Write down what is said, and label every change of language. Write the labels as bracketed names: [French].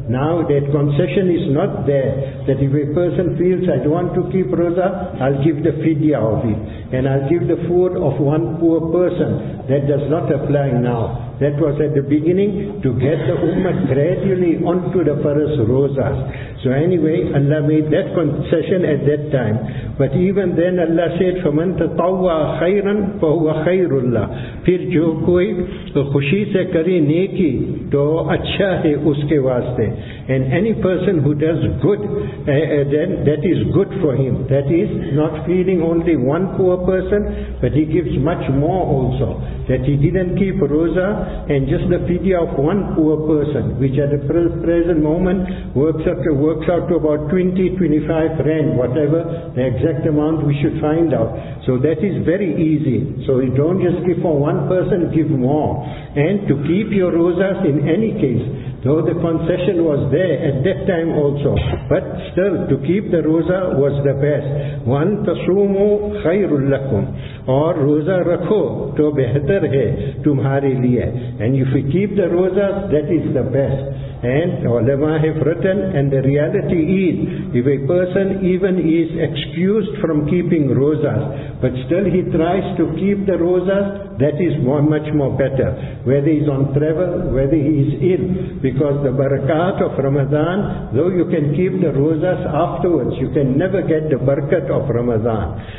[English] Now that concession is not there, that if a person feels I don't want to keep roza, I'll give the fidya of it, and I'll give the food of one poor person. That does not apply now. That was at the beginning to get the ummah gradually onto the farz rozas. So anyway, Allah made that concession at that time. But even then Allah said, [Arabic] فَمَن تَطَوَّعَ خَيْرًا فَهُوَ خَيْرُ اللَّهِ. [Urdu] پھر جو کوئی خوشی سے کرے نیکی تو اچھا ہے اس کے واسطے. [English] And any person who does good, then that is good for him. That is not feeding only one poor person, but he gives much more also. That he didn't keep roza, and just the fidya of one poor person, which at the present moment works out to about 20, 25 rand, whatever the exact amount we should find out. So that is very easy. So you don't just give for one person, give more. And to keep your rozas in any case, though the concession was there at that time also, but still to keep the roza was the best. [Arabic] وَأَن تَصُومُوا خَيْرٌ لَكُمْ. [Urdu] اور روزہ رکھو تو بہتر ہے تمہارے لیے. [English] And if you keep the roza, that is the best. And ulama have written, and the reality is, if a person even is excused from keeping rozas, but still he tries to keep the rozas, that is much more better. Whether he is on travel, whether he is ill, because the barakat of Ramadan, though you can keep the rozas afterwards, you can never get the barakat of Ramadan.